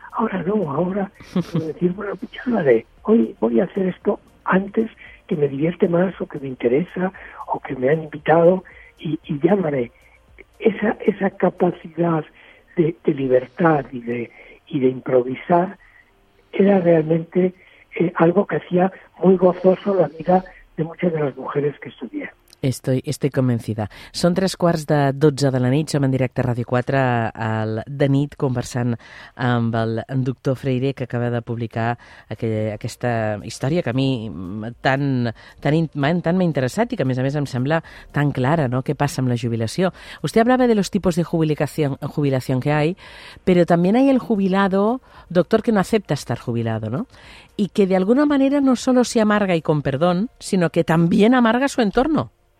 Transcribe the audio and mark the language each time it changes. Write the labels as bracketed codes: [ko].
[es] Ahora no, ahora puedo decir, bueno, pues ya lo haré, hoy voy a hacer esto antes, que me divierte más o que me interesa o que me han invitado, y ya lo haré. Esa capacidad de libertad y de improvisar era realmente algo que hacía muy gozoso la vida de muchas de las mujeres que estudié. Estoy convencida. [ca] Són 12:15 de la nit, som en directe a Ràdio 4 de nit conversant amb el doctor Freire, que acaba de publicar aquesta història que a mi tan m'ha interessat i que a més em sembla tan clara, no?, què passa amb la jubilació. [es] Vostè hablava de los tipos de jubilación que hay, pero también hay el jubilado, doctor, que no acepta estar jubilado, ¿no?, y que de alguna manera no solo se amarga y con perdón, sino que también amarga su entorno.